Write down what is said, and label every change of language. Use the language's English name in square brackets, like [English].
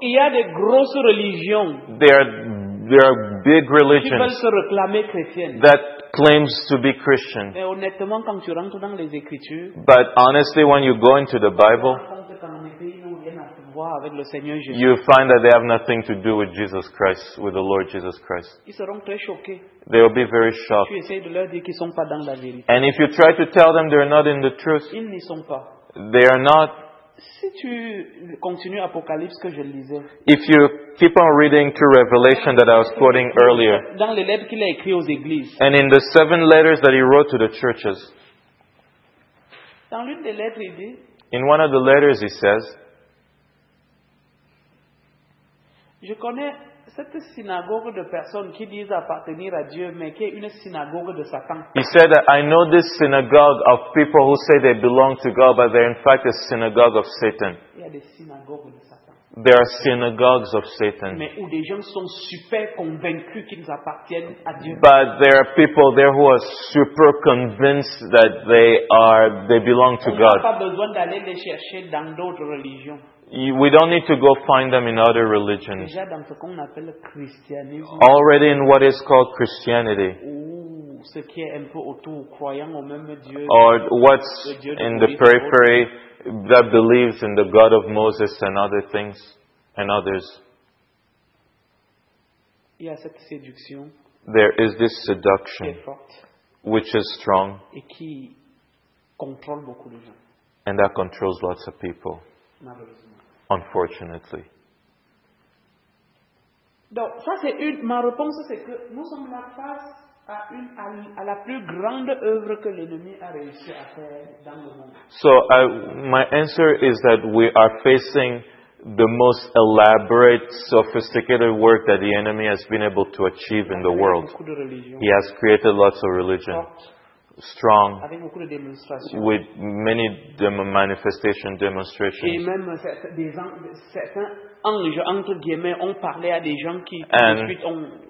[English] There are big religions that claims to be Christian. [French] Mais honnêtement, quand tu rentres dans les Écritures, [English] but honestly, when you go into the Bible, you find that they have nothing to do with Jesus Christ, with the Lord Jesus Christ. [French] Ils seront très choqués. [English] They will be very shocked. [French] Tu essaies de leur dire qu'ils sont pas dans la vérité. [English] And if you try to tell them they're not in the truth, [French] ils n'y sont pas. [English] They are not. [French] Si tu continues Apocalypse que je lisais, [English] if you keep on reading to Revelation that I was quoting earlier, [French] dans les lettres qu'il a écrites aux églises, [English] and in the seven letters that he wrote to the churches, [French] dans l'une des lettres, il dit, [English] in one of the letters he says, [French] je connais cette synagogue de personnes qui disent appartenir à Dieu, mais qui est une synagogue de Satan. [English] He said that I know this synagogue of people who say they belong to God, but they're in fact a synagogue of Satan. [French] Il y a des synagogues de Satan. [English] There are synagogues of Satan. [French] Mais où des gens sont super convaincus qu'ils appartiennent à Dieu. [English] But there are people there who are super convinced that they belong to God. [French] On n'a pas besoin d'aller les chercher dans d'autres religions. [English] We don't need to go find them in other religions. [French] Déjà dans ce qu'on appelle christianisme, [English] already in what is called Christianity. [French] Ce qui est un peu autour, croyant au même Dieu, [English] or what's in the periphery that believes in the God of Moses and other things and others. [French] Il y a cette séduction, [English] there is this seduction which is strong [French] et qui contrôle beaucoup de gens. [English] And that controls lots of people. Unfortunately. [French] Donc, ça c'est une. Ma réponse c'est que nous sommes là face à une à la plus grande œuvre que l'ennemi a réussi à faire dans le monde. [English] So, my answer is that we are facing the most elaborate, sophisticated work that the enemy has been able to achieve in the world. He has created lots of religion. Strong, with many demonstrations.